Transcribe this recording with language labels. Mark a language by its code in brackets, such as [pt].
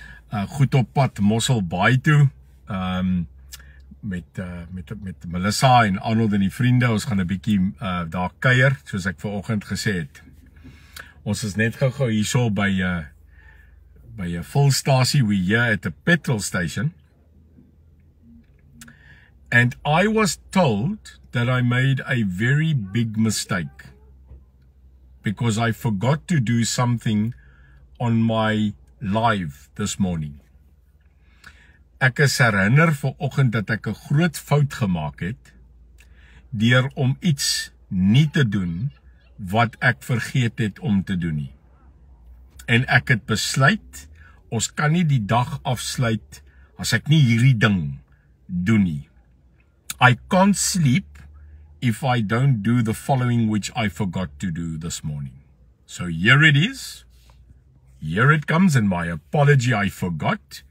[af] Goed op pad Mosselbaai toe. Met Melissa en Arnold en die vriende. Ons gaan 'n bietjie daar kuier, soos ek vanoggend gesê het. Ons is net gou-gou hierso by 'n volstasie, [en] we here at a petrol station. And I was told that I made a very big mistake because I forgot to do something on my live this morning. [af] Ek is herinner vanoggend dat ek 'n groot fout gemaak het deur om iets nie te doen wat ek vergeet het om te doen nie. En ek het besluit ons kan nie die dag afsluit as ek nie hierdie ding doen nie. [en] I can't sleep if I don't do the following which I forgot to do this morning. So here it is. Here it comes and my apology, I forgot.